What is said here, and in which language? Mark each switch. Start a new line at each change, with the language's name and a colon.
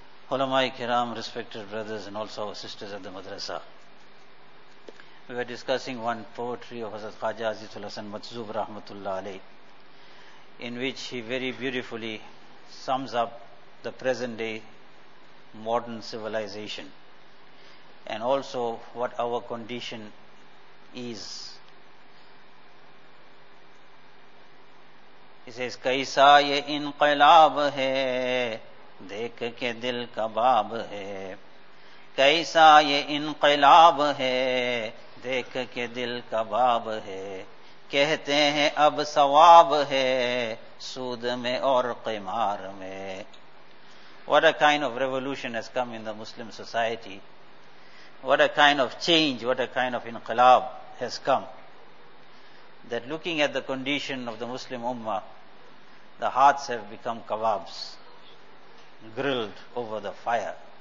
English: علماء کرام، respected brothers and also our sisters at the madrasa, we were discussing one poetry of Hazrat Khwaja Aziz ul Hasan Majzub rahmatullah alayh, in which he very beautifully sums up the present day modern civilization and also what our condition is. He says,
Urdu: kaisa ye inqilab hai دیکھ کے دل کباب ہے، کیسا یہ انقلاب ہے دیکھ کے دل کباب ہے، کہتے ہیں اب ثواب ہے سود میں اور قمار میں.
English: What a kind of revolution has come in the Muslim society. What a kind of change, what a kind of انقلاب has come. That looking at the condition of the Muslim ummah, the hearts have become kebabs, grilled over the fire.